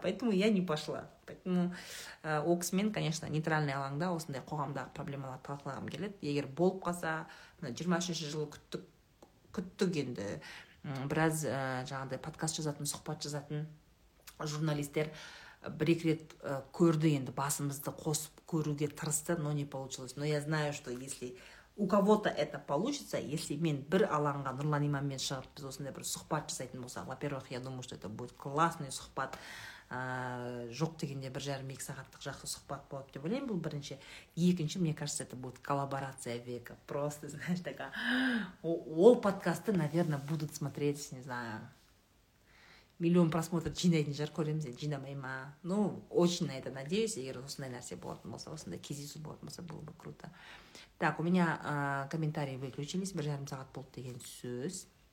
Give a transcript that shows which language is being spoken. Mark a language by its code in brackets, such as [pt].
[ru] Поэтому я не пошла. [kk] Поэтому ол кісімен, конечно, нейтральный алаңда осындай қоғамдағы проблемаларды талқылағым келеді. Егер болып қалса, 23 жылы күттік енді біраз жаңағыдай подкаст жазатын, сұхбат жазатын журналистер бір екі рет көрді, енді басымызды қосып көруге тырысты, [ru] но не получилось. Но я знаю, что если у кого-то это получится, если [kk] мен бір алаңға Нұрлан Иманмен шығып, біз осындай бір сұхбат жасайтын болсақ, [ru] во-первых, я думаю, что это будет классный сұхбат. [kk] Жоқ дегенде бір жарым екі сағаттық жақсы сұхбат болады деп ойлаймын. Бұл бірінші. [ru] Екінші, мне кажется, это будет коллаборация века. Просто, знаешь, ол подкасты, наверное, будут смотреть, не знаю, миллион просмотр [kk] жинайтын шығар, көреміз енді, жинамай ма. [ru] Ну, очень на это надеюсь. [kk] Егер осындай нәрсе болатын болса, [ru] осындай кездесу болатын болса, было бы круто. Так, у меня комментарии выключились. [kk] Бір жарым сағат болды деген сөз.